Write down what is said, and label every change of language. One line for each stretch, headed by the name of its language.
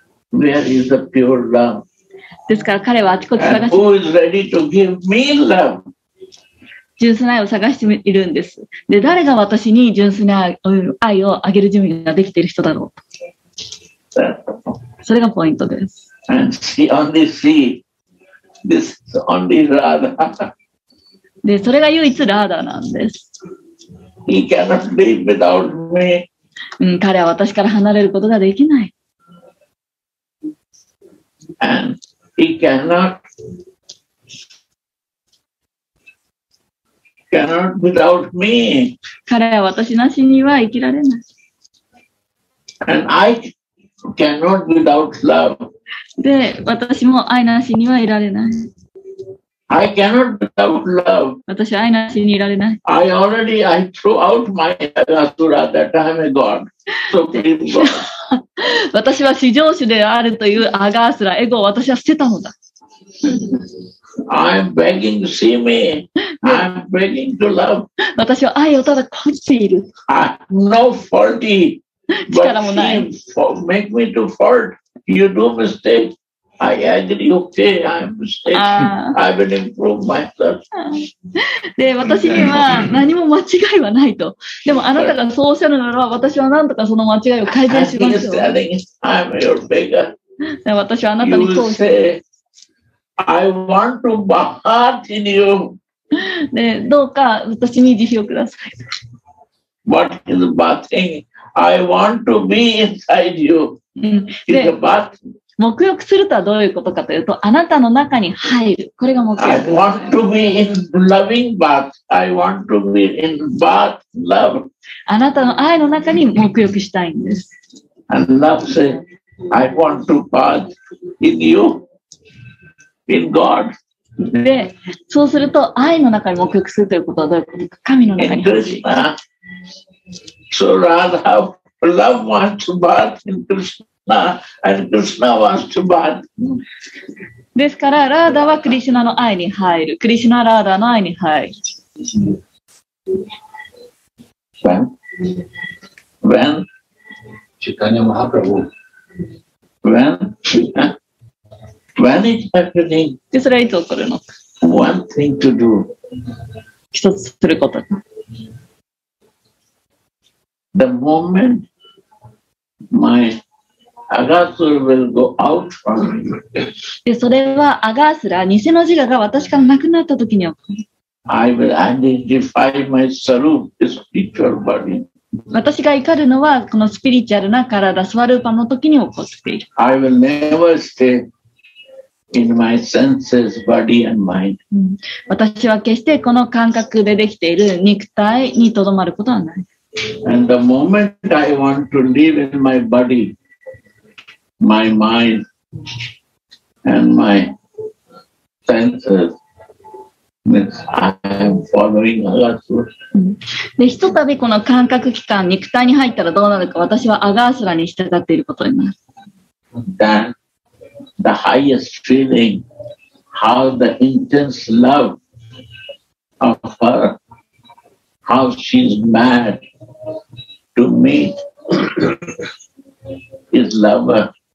English: Where is the pure love?
Japanese: ですから彼はあちこち探して、
English: And who is ready to give me love?
Japanese: 純粋な愛を探しているんです。で、誰が私に純粋な愛をあげる準備ができている人だろう。それがポイントです。
English: And she only see this is only Radha.
Japanese: で、それが唯一ラーダなんです。
English: He cannot live without me.
Japanese: うん、彼は私から離れることができない。
English: And he cannot without me.
Japanese: 彼は私なしには生きられない。
English: And I cannot without love.
Japanese: で、私も愛なしにはいられない。
English: I cannot without love.
Japanese: 私は愛なしにいられない。
English: I threw out my asura that I am a god. So please go.
Japanese: 私は至上主であるというアガースラ、エゴを私は捨てたのだ。
English: I'm begging to see me. I'm begging to love.
Japanese: 私は愛をただ乞っている。
English: I'm no faulty.
Japanese: 力もない。
English: But she make me to fault. You do mistake. I agree. Okay, I'm mistake. I will improve myself.
Japanese: で、私には何も間違いはないと。でもあなたがそうおっしゃるなら、私はなんとかその間違いを改善しますよ。
English: I'm your beggar.
Japanese: 私はあなたに
English: You say, I want to bathe in you.
Japanese: で、どうか私に慈悲をください。
English: What is bathing? I want to be inside you. It's a bath.
Japanese: 沐浴するとはどういうことかというと、あなたの中に入る。これが沐浴。
English: I want to be in loving bath. I want to be in bath love.
Japanese: あなたの愛の中に沐浴したいんです。
English: And love says, I want to bath in you, in God.
Japanese: で、そうすると愛の中に沐浴するということはどういうことか。神の中に入る。
English: In Krishna. So Radha, love wants to bath in Krishna. And Krishna wants to bath.
Japanese: ですから、ラーダはクリシュナの愛に入る。クリシュナ、ラーダの愛に入る。
English: When? Chaitanya Mahaprabhu. When is happening?
Japanese: で、それはいつ起こるの?
English: One thing to do.
Japanese: 一つすること。
English: The moment my アガスラ will go out from me.
Japanese: で、それはアガスラ、偽の自我が私からなくなったときに起こ
English: る。I will identify my sarup, spiritual body.
Japanese: 私が怒るのは、このスピリチュアルな体、スワルーパのときに起こっている。
English: I will never stay in my senses, body and mind.
Japanese: 私は決してこの感覚でできている肉体にとどまることはない。
English: And the moment I want to live in my body,My mind and my senses. I am following Agasura.
Japanese: で、ひとたびこの感覚器官、肉体に入ったらどうなるか、私はアガースラに従っていることになる。
English: Then, the highest feeling, how the intense love of her, how she's mad to meet his lover.